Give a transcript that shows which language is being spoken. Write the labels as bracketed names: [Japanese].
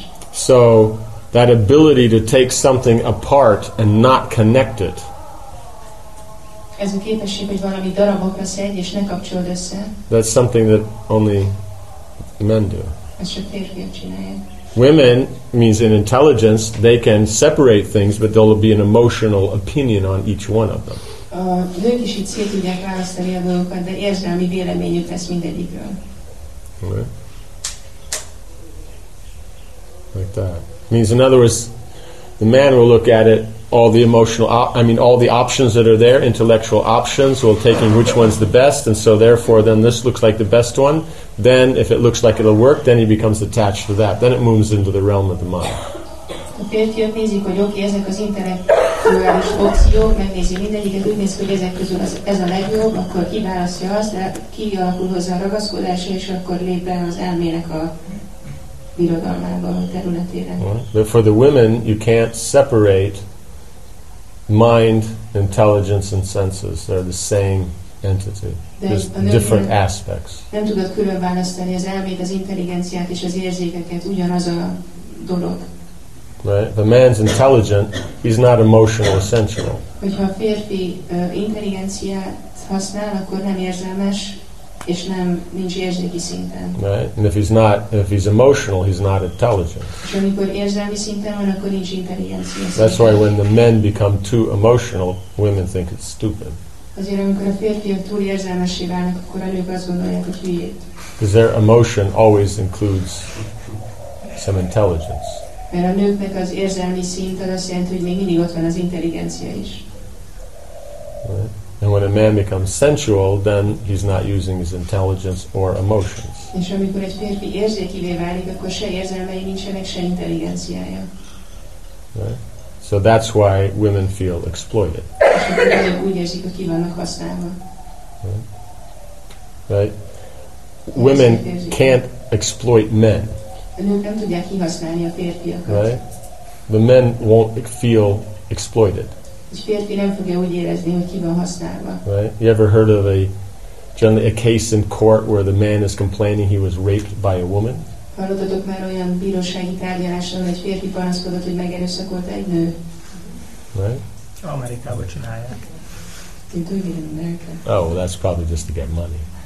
[English] So, that ability to take something apart and not connect it. [Hungarian] Ez a képesség, hogy valami darabokra szedj és ne kapcsolod össze. [English] That's something that only men do. [Hungarian] Ez csak férfiak csinálják. [English] Women, means in intelligence, they can separate things, but there'll be an emotional opinion on each one of them. [Hungarian] A nők is így szét tudják választani a dolgokat, de érzelmi véleményük lesz mindegyikről. [English] Okay. Like that. Means in other words, the man will look at it, all the emotional, all the options that are there, intellectual options, will take in which one's the best, and so therefore then this looks like the best one. Then if it looks like it'll work, then he becomes attached to that. Then it moves into the realm of the mind. [Hungarian] A férfiak nézik, hogy oké, ezek az intellektuális opciók, megnézi mindegyiket, úgy néz ki, hogy ezek közül ez a legjobb, akkor kiválasztja azt, de kialakul hozzá a ragaszkodása, és akkor lép be az elmének a birodalmába, a területére. [English] But for the women, you can't separate mind, intelligence and senses. They're the same entity. There's different aspects. [Hungarian] Nem tudod külön választani az elmét, az intelligenciát és az érzékeket, ugyanaz a dolog. [English] Right? The man's intelligent, he's not emotional or sensual. [Hungarian] Hogyha a férfi intelligenciát használ, akkor nem érzelmes, és nem, nincs érzéki szinten. [English] Right? And if he's emotional, he's not intelligent. [Hungarian] És amikor érzelmi szinten van, akkor nincs intelligencia szinten. [English] That's why when the men become too emotional, women think it's stupid. [Hungarian] Azért, amikor a férfiak túl érzelmessé válnak, akkor a nők azt gondolják, hogy hülyét. [English] Because their emotion always includes some intelligence. [Hungarian] Mert a nőknek az érzelmi szint az azt jelenti, hogy még mindig ott van az intelligencia is. [English] Right. And when a man becomes sensual, then he's not using his intelligence or emotions. [Hungarian] És amikor egy férfi érzékivé válik, akkor se érzelmei nincsenek, se intelligenciája. [English] Right. So that's why women feel exploited. [Hungarian] És akkor azok úgy érzik, hogy ki vannak használva. [English] Right. Right. Women can't exploit men. [Hungarian] A nők nem tudják kihasználni a férfiakat. [English] Right? The men won't feel exploited. [Hungarian] A férfi nem fogja úgy érezni, hogy ki van használva. [English] Right? You ever heard of a case in court where the man is complaining he was raped by a woman? [Hungarian] Hallottatok már olyan bírósági tárgyaláson, egy férfi panaszkodott, hogy megerőszakolt egy nő? [English] Right. [Hungarian] Amerikában csinálják. [English] Do oh, well, that's probably just to get money.